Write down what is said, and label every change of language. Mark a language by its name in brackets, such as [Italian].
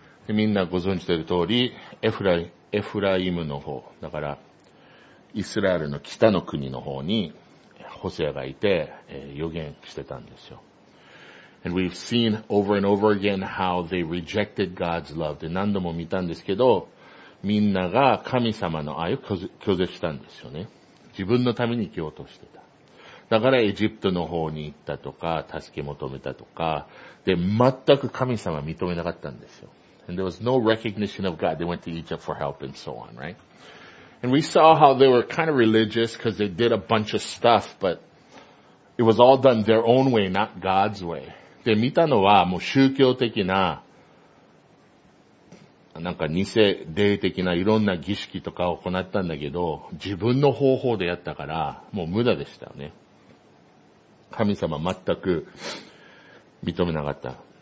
[Japanese] みんなご存知の通り、エフライムの方、だから、イスラエルの北の国の方に、ホセアがいて、予言してたんですよ。 [English] And we've seen over and over again how they rejected God's love. [Japanese] で、何度も見たんですけど、みんなが神様の愛を拒絶したんですよね。自分のために生きようとしてた。だからエジプトの方に行ったとか、助け求めたとか、で、全く神様認めなかったんですよ。 [English] And there was no recognition of God. They went to Egypt for help and so on, right? And we saw how they were kind of religious because they did a bunch of stuff, but it was all done their own way, not God's way. [Japanese] で、見たのはもう宗教的な、なんか偽霊的ないろんな儀式とかを行ったんだけど、自分の方法でやったから、もう無駄でしたよね。神様全く認めなかった。